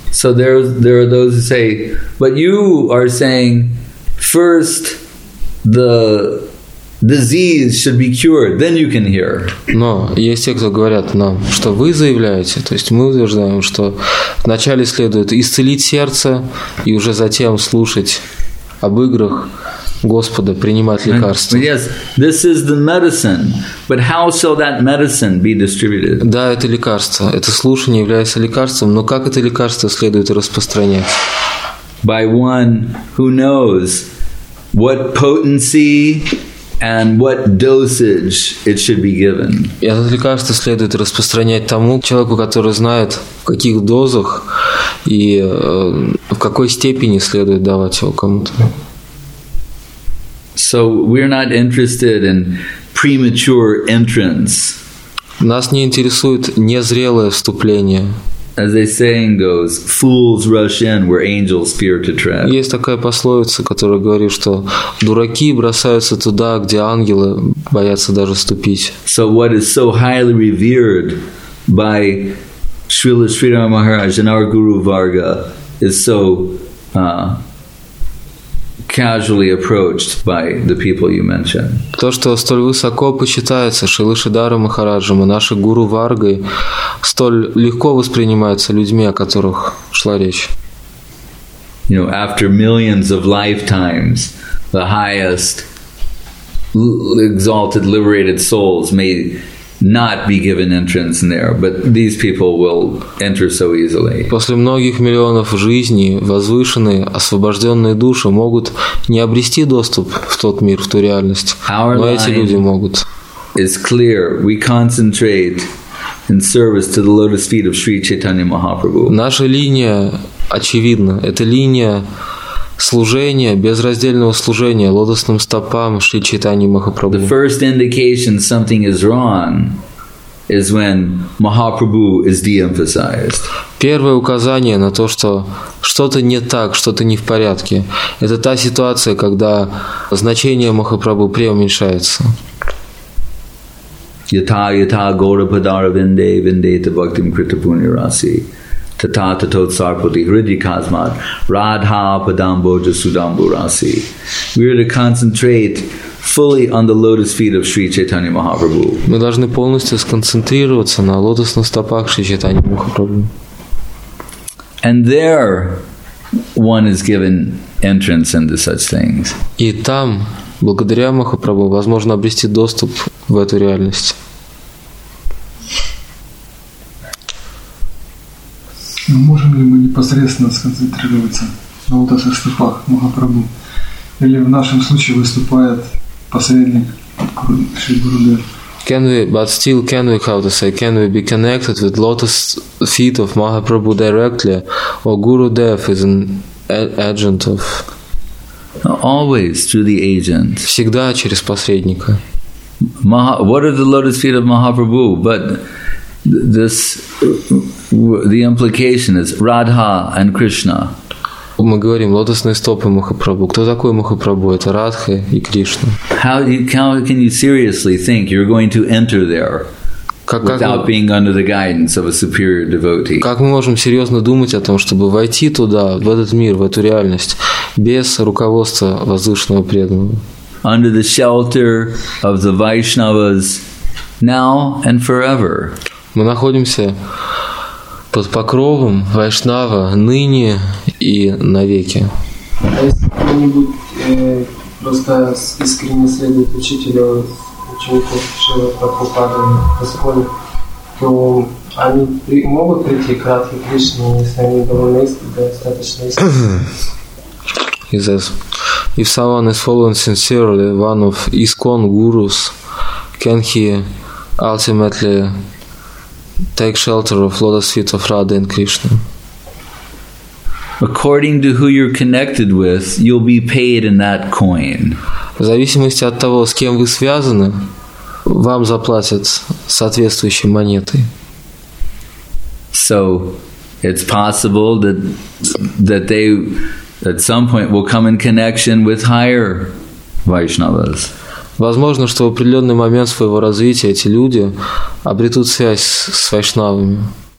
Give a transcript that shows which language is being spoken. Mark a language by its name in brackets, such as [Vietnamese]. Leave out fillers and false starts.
[English] So there are those who say, but you are saying, first the disease should be cured, then you can hear. [Russian] Но есть те, кто говорят нам, что вы заявляете, то есть мы утверждаем, что вначале следует исцелить сердце и уже затем слушать об играх Господа, принимать лекарства. [English] And, yes, this is the medicine, but how shall that medicine be distributed? [Russian] Да, это лекарство. Это слушание является лекарством, но как это лекарство следует распространять? [English] By one who knows what potency and what dosage it should be given. [Russian] И это лекарство следует распространять тому человеку, который знает, в каких дозах и в какой степени следует давать его кому-то. [English] So we're not interested in premature entrance. [Russian] Нас не интересует незрелое вступление. [English] As the saying goes, fools rush in where angels fear to tread. [Russian] Есть такая пословица, которая говорит, что дураки бросаются туда, где ангелы боятся даже ступить. [English] So what is so highly revered by Srila Sridhara Maharaj and our Guru Varga is so casually approached by the people you mentioned. [Russian] То, что столь высоко почитается Шрила Шридхара Махараджем и наши гуру Варгой, столь легко воспринимается людьми, о которых шла речь. [English] You know, after millions of lifetimes, the highest exalted liberated souls may not be given entrance there, but these people will enter so easily. [Russian] После многих миллионов жизней возвышенные освобожденные души могут не обрести доступ в тот мир, в ту реальность, [English] our [Russian] но эти люди могут. [English] Is clear. We concentrate in service to the lotus feet of Sri Chaitanya Mahaprabhu. [Russian] Наша линия очевидна. Это линия служение, безраздельного служения лотосным стопам Шри Чайтаньи Махапрабху. [English] The first indication something is wrong is when Mahaprabhu is de-emphasized. [Russian] Первое указание на то, что что-то не так, что-то не в порядке, это та ситуация, когда значение Махапрабху преуменьшается. [Sanskrit] Yata yata gaura padara vinde vindeta bhaktim krita punirasi. Tatata tot sarpati hridi kasmat radha padamboja sudamburasi. [English] We are to concentrate fully on the lotus feet of Sri Chaitanya Mahaprabhu. [Russian] Мы должны полностью сконцентрироваться на лотосных стопах Шри Чайтаньи Махапрабху. [English] And there one is given entrance into such things. [Russian] И там, благодаря Махапрабху, возможно обрести доступ в эту реальность. Но можем ли мы непосредственно сконцентрироваться на лотосных стопах Махапрабху? Или в нашем случае выступает посредник Шри Гурудев? [English] Can we be connected with lotus feet of Mahaprabhu directly? Or Gurudev is an agent of... Always through the agent. [Russian] Всегда через посредника. [English] What are the lotus feet of Mahaprabhu? But this... The implication is Radha and Krishna. [Russian] Мы говорим лотосные стопы Махапрабху. Кто такой Махапрабху? Это Радха и Кришна. [English] How can you seriously think you're going to enter there without being under the guidance of a superior devotee? [Russian] Как мы можем серьезно думать о том, чтобы войти туда, в этот мир, в эту реальность, без руководства возвышенного преданного? [English] Under the shelter of the Vaishnavas now and forever. [Russian] Мы находимся под покровом Вайшнава ныне и навеки. А если кто-нибудь просто искренне следует учителю, ученику Шрилы Прабхупады, то они могут прийти к Радхе Кришне, если они довольно достаточно искренне? [English] If someone is following sincerely one of ISKCON gurus, can he ultimately take shelter of lotus feet of Radha and Krishna? According to who you're connected with, you'll be paid in that coin. [Russian] В зависимости от того, с кем вы связаны, вам заплатят соответствующей монетой. [English] So, it's possible that they at some point will come in connection with higher Vaishnavas. [Russian] Возможно, что в определенный момент своего развития эти люди обретут связь с вайшнавами.